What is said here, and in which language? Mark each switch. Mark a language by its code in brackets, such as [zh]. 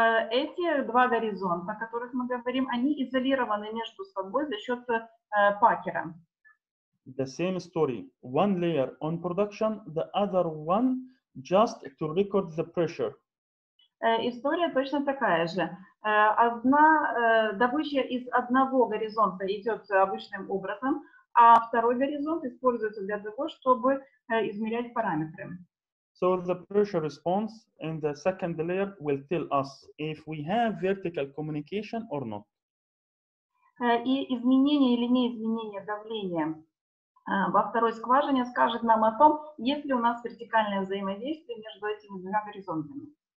[ru] Эти два горизонта, о которых мы говорим, они изолированы между собой за счет пакера. [en] The same story. One layer on production, the other one just to record the pressure. [ru] История точно такая же. Одна добыча из одного горизонта идет обычным образом, а второй горизонт используется для того, чтобы измерять параметры. [en] So the pressure response in the second layer will tell us if we have vertical communication or not. [ru] И изменение или неизменение давления во второй скважине скажет нам о том, есть ли у нас вертикальное взаимодействие между этими двумя горизонтами.